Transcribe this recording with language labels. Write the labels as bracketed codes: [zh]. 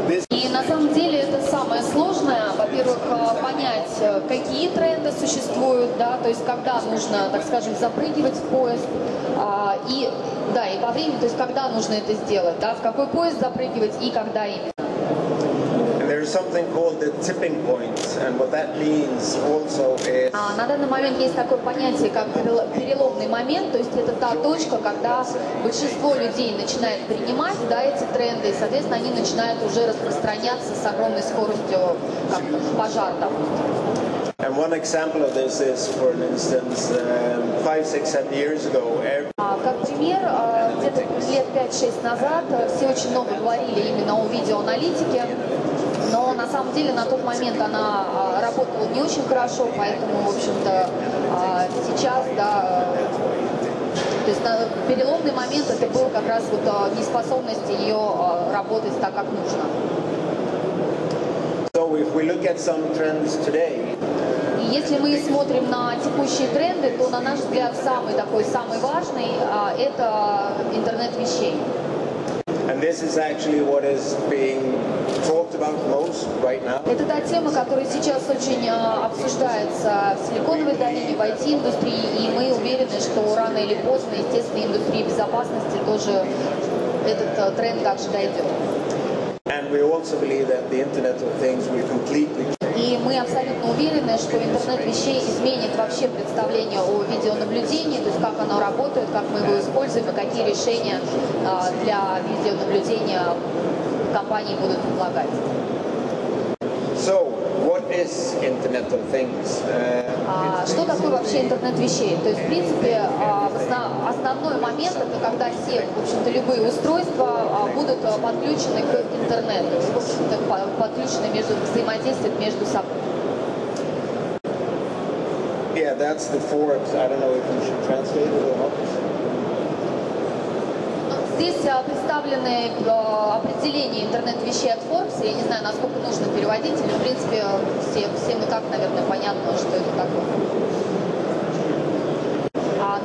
[ru] и на самом деле это самое сложное, во-первых, понять, какие тренды существуют, да, то есть когда нужно, так скажем, запрыгивать в поезд, и, да, и по времени, то есть когда нужно это сделать, да, в какой поезд запрыгивать и когда именно. [en] There is something called the tipping point, and what that means also is. [ru] На данный момент есть такое понятие, как переломный момент, то есть это та точка, когда большинство людей начинает принимать, да, эти тренды, и, соответственно, они начинают уже распространяться с огромной скоростью, как пожар, допустим. [en] And one example of this is, for instance, 5-6-7 years ago. [ru] Как пример, где-то лет 5-6 назад все очень много говорили именно о видеоаналитике. Но на самом деле на тот момент она работала не очень хорошо, поэтому, в общем-то, сейчас, да, то есть переломный момент это был как раз вот неспособность ее работать так, как нужно. [en] So if we look at some trends today. [ru] Если мы смотрим на текущие тренды, то на наш взгляд самый такой, самый важный это интернет вещей. [en] And this is actually what is being talked about most right now. [ru] Это та тема, которая сейчас очень обсуждается в Силиконовой долине, в IT-индустрии, и мы уверены, что рано или поздно, естественно, индустрии безопасности тоже этот тренд также дойдет. [en] And we also believe that the Internet of Things will completely change. [ru] И мы абсолютно уверены, что интернет вещей изменит вообще представление о видеонаблюдении, то есть как оно работает, как мы его используем и какие решения для видеонаблюдения компании будут предлагать. [en] So, what is Internet of Things? [ru] Что такое вообще интернет вещей? То есть, в принципе, основной момент это когда все, в общем-то, любые устройства будут подключены к интернету, в общем-то, подключены между взаимодействием между собой. [en] Yeah, that's the fourth. I don't know if you should translate it or not. [ru] Здесь представлены определения интернет вещей от Forbes. Я не знаю, насколько нужно переводить, но в принципе всем и так, наверное, понятно, что это такое.